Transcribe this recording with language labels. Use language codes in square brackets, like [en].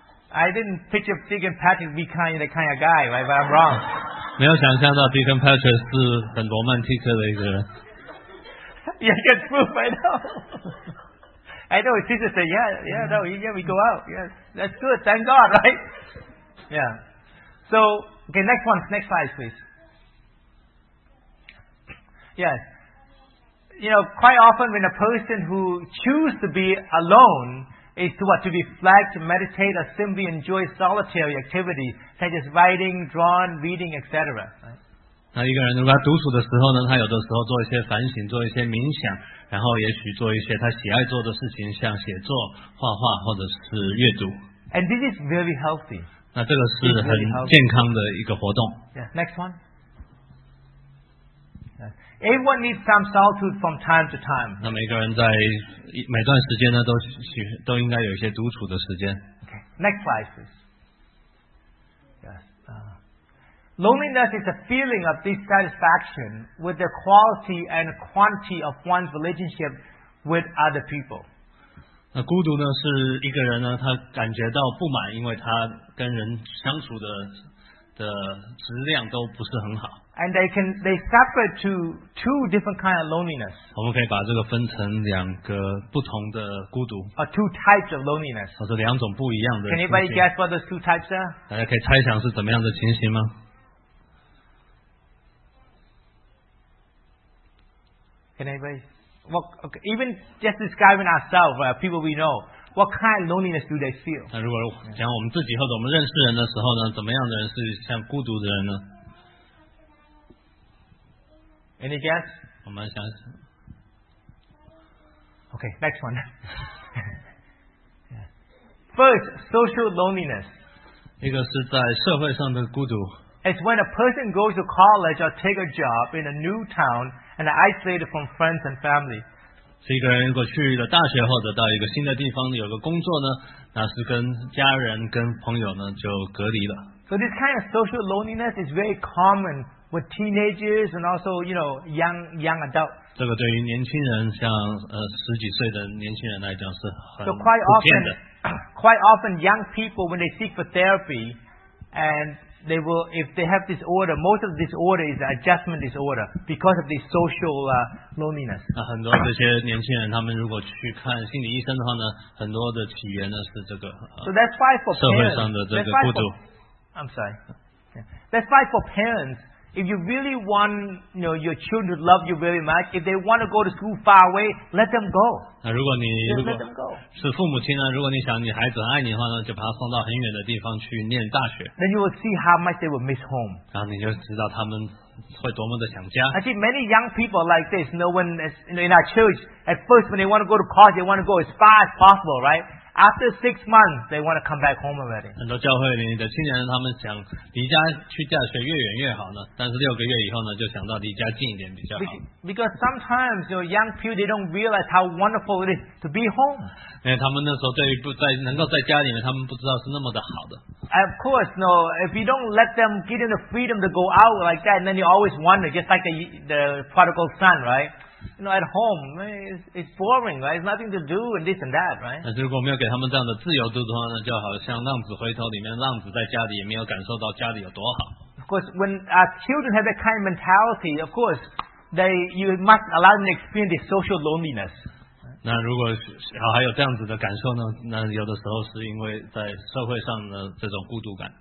[en] I didn't picture Deacon Patrick be kind of guy, right? But I'm wrong. [zh] 没有想象到 Deacon Patrick 是很 romantic 的一个人。 [en] Yeah, it's true, I know. I know, his sister said, yeah, we go out. Yeah, that's good, thank God, right? Yeah. So, okay, next one, next slide, please. Yes. You know, quite often when a person who choose to be alone is to reflect, to meditate, or simply enjoy solitary activities such as writing, drawing, reading, etc. [zh] 那一个人如果他独处的时候呢，他有的时候做一些反省，做一些冥想，然后也许做一些他喜爱做的事情，像写作、画画或者是阅读。 [en] And this is very healthy. [zh] 那这个是很健康的一个活动。 [en] Yeah, next one. Everyone needs some solitude from time to time. [zh] 那每个人在每段时间呢，都应该有一些独处的时间。 [en] Okay, next slide, please. Loneliness is a feeling of dissatisfaction with the quality and quantity of one's relationship with other people. [zh] 那孤独呢，是一个人呢，他感觉到不满，因为他跟人相处的质量都不是很好。 [en] And they suffer to two different kinds of loneliness. [zh] 我们可以把这个分成两个不同的孤独。 [en] Or two types of loneliness. [zh] 或者两种不一样的。 [en] Can anybody guess what those two types are? [zh] 大家可以猜想是怎么样的情形吗？ [en] Can anybody? Well, okay, even just describing ourselves, right, people we know, what kind of loneliness do they feel? [zh] 那如果讲我们自己或者我们认识人的时候呢，怎么样的人是像孤独的人呢？ [en] Any guess? [zh] 我们想。 [en] Okay, next one. First, social loneliness. [zh] 一个是在社会上的孤独。 [en] It's when a person goes to college or take a job in a new town and isolated from friends and family. [zh] 是一个人如果去了大学或者到一个新的地方有个工作呢，那是跟家人跟朋友呢就隔离了。 [en] So this kind of social loneliness is very common with teenagers and also, you know, young adults. [zh] 这个对于年轻人，像十几岁的年轻人来讲是很普遍的。 [en] So quite often young people when they seek for therapy andthey will, if they have this order, most of this order is adjustment disorder because of this social loneliness. [zh] 那很多这些年轻人，他们如果去看心理医生的话呢，很多的起源呢是这个。 [en] So that's why for parents. [zh] 社会上的这个孤独。 [en] I'm sorry. That's why for parents, if you really want, you know, your children to love you very much, if they want to go to school far away, let them go. [zh] 那如果你如果是父母亲呢，如果你想你孩子爱你的话呢，就把他送到很远的地方去念大学。 [en] Then you will see how much they will miss home. [zh] 然后你就知道他们会多么的想家。 [en] Actually, many young people like this, you know, when in our church, at first when they want to go to college, they want to go as far as possible, right? After 6 months, they want to come back home already. [zh] 很多教会里的青年人，他们想离家去大学越远越好呢，但是六个月以后呢，就想到离家近一点比较好。 [en] Because sometimes, you know, young people, they don't realize how wonderful it is to be home. [zh] 因为他们那时候对于不在能够在家里面，他们不知道是那么的好的。 [en] And of course, no. If you don't let them get them the freedom to go out like that, then you always wonder, just like the prodigal son, right? You know, at home, it's boring, right? It's nothing to do and this and that, right? [zh] 但是如果没有给他们这样的自由度的话呢，就好像浪子回头里面，浪子在家里也没有感受到家里有多好。 [en] Of course, when our children have that kind of mentality, of course, you must allow them to experience this social loneliness. [zh] 那如果小孩有这样子的感受呢，那有的时候是因为在社会上的这种孤独感。